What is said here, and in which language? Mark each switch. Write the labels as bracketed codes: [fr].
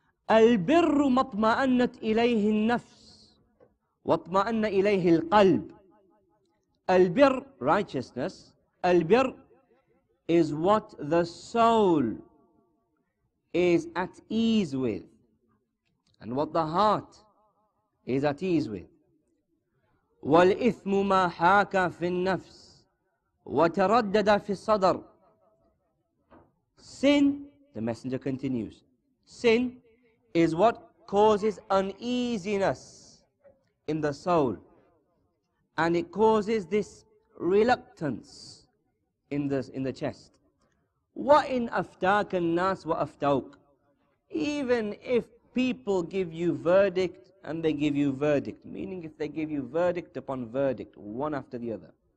[ar] البر مطمئنت إليه النفس واطمئن إليه القلب. [en] البر, righteousness, البر is what the soul is at ease with and what the heart is at ease with. [ar] والإثم ما حاك في النفس وتردد في الصدر. [en] Sin, the Messenger continues, sin is what causes uneasiness in the soul, and it causes this reluctance in the chest. [ar] Wa in aftak an-nas wa aftauk, [en] even if people give you verdict and they give you verdict, meaning if they give you verdict upon verdict, one after the other.